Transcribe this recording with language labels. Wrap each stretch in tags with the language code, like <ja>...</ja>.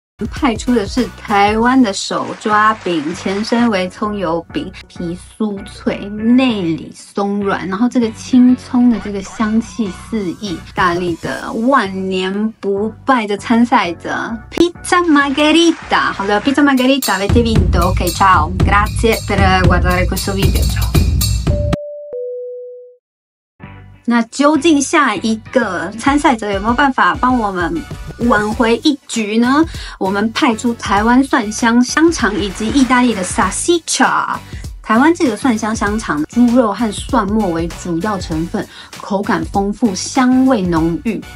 <zh>派出的是台湾的手抓饼，前身为葱油饼，皮酥脆，内里松软，然后这个青葱的这个香气四溢。意大利的万年不败的参赛者 Pizza Margherita。好的，</zh> <it>Pizza Margherita avete vinto。 OK， ciao， grazie per guardare questo video。 ciao。</it> <zh>那究竟下一个参赛者有没有办法帮我们挽回一局呢？我们派出台湾蒜香香肠以及意大利的 salsiccia。台湾这个蒜香香肠，猪肉和蒜末为主要成分，口感丰富，香味浓郁。</zh>